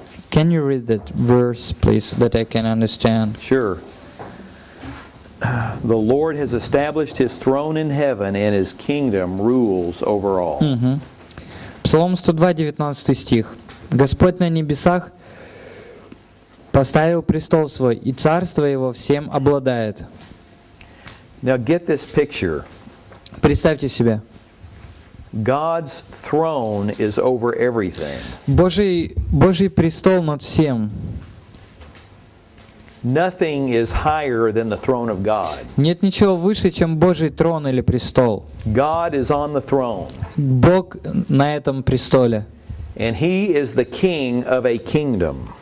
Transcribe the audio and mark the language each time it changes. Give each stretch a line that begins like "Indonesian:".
English: Can you read that verse, please, that I can understand? Sure. The Lord has established His throne in heaven, and His kingdom rules over all.
Russian: Псалом 102, 19 стих. Господь на небесах поставил престол свой, и царство его всем обладает.
English: Now get this picture.
Russian: Представьте себе.
English: God's throne is over everything.
Russian: Божий престол над всем.
English: Nothing is higher than the throne of God.
Russian: Нет ничего выше, чем Божий трон или престол.
English: God is on the throne.
Russian: Бог на этом престоле.
English: And He is the king of a kingdom.